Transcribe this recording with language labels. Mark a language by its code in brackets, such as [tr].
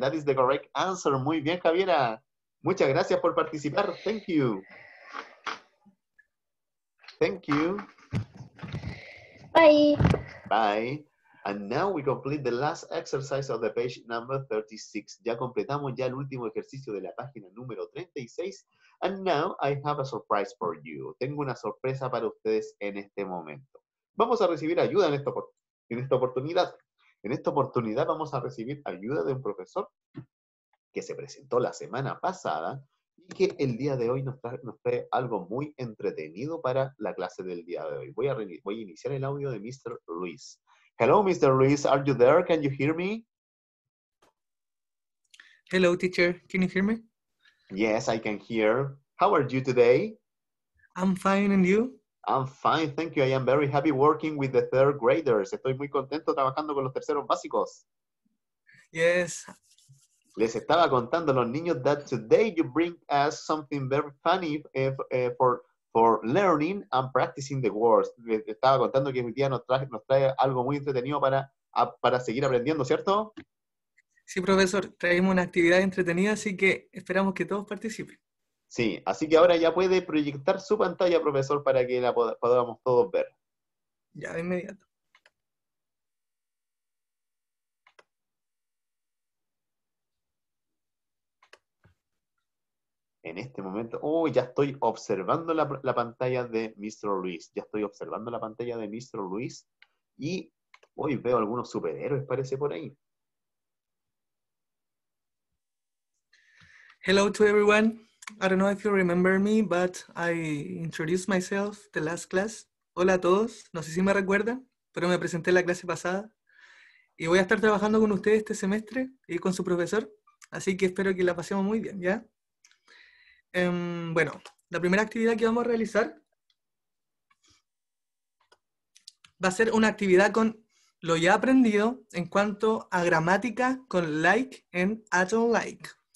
[en] That is the correct answer. [es] Muy bien, Javiera. Muchas gracias por participar. [en] Thank you. Thank you. Bye. Bye. And now we complete the last exercise of the page number 36. [es] Ya completamos ya el último ejercicio de la página número 36. [en] And now I have a surprise for you. [es] Tengo una sorpresa para ustedes en este momento. Vamos a recibir ayuda en esta oportunidad. En esta oportunidad vamos a recibir ayuda de un profesor que se presentó la semana pasada y que el día de hoy nos trae algo muy entretenido para la clase del día de hoy. Voy a iniciar el audio de Mr. Luis. [en] Hello, Mr. Luis, are you there? Can you hear me? Hello, teacher. Can you hear me? Yes, I can hear. How are you today? I'm fine, and you? I'm fine, thank you. I am very happy working with the third graders. [es] Estoy muy contento trabajando con los terceros básicos. [en] Yes. [es] Les estaba contando a los niños [en] that today you bring us something very funny for learning and practicing the words. [es] Les estaba contando que hoy día nos trae algo muy entretenido para seguir aprendiendo, ¿cierto? Sí, profesor. Traemos una actividad entretenida, así que esperamos que todos participen. Sí, así que ahora ya puede proyectar su pantalla, profesor, para que la podamos todos ver. Ya, de inmediato. En este momento, ya estoy observando la pantalla de Mr. Luis. Ya estoy observando la pantalla de Mr. Luis y hoy veo algunos superhéroes, parece, por ahí. [en] Hello to everyone. I don't know if you remember me, but I introduced myself the last class. [es] Hola a todos. No sé si me recuerdan, pero me presenté la clase pasada. Y voy a estar trabajando con ustedes este semestre y con su profesor. Así que espero que la pasemos muy bien, ¿ya? Bueno, la primera actividad que vamos a realizar va a ser una actividad con lo ya aprendido en cuanto a gramática con like en at all like.